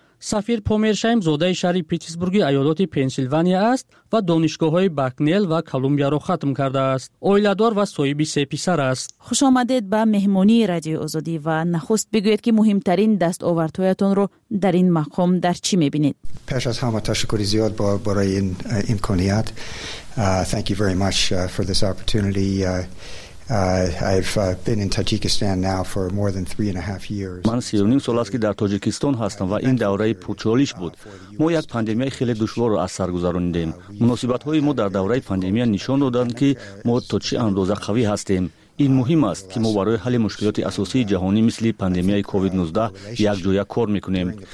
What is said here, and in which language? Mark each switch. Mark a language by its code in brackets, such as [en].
[fa] سفیر پومرشایم زاده شهر پیتسبورگ ایالات پنسیلوانیا است و دانشگاه های بکنل و کلمبیا را ختم کرده است. اویلادار و صاحب 3 پسر است. خوش آمدید به مهمانی رادیو آزادی و نخست بگویید که مهمترین دستاوردهایتان را در این مقام در چی میبینید؟ پیش از همه تشکر زیاد برای این امکانیت. [en] Thank you very much for this opportunity. I've been in Tajikistan now for more than 3.5 years. [fa] من 3.5 سال است که در تاجیکستان هستم و این دوره پرچالش بود. ما یک پاندمی خیلی دشوار را از سر گذرانیدیم. مناسبت های ما در دوره پاندمی نشان دادند که ما تا چه اندازه قوی هستیم. این مهم است که ما برای حل مشکلات اساسی جهانی مثل پاندمی کووید 19 یک جویا کار میکنیم.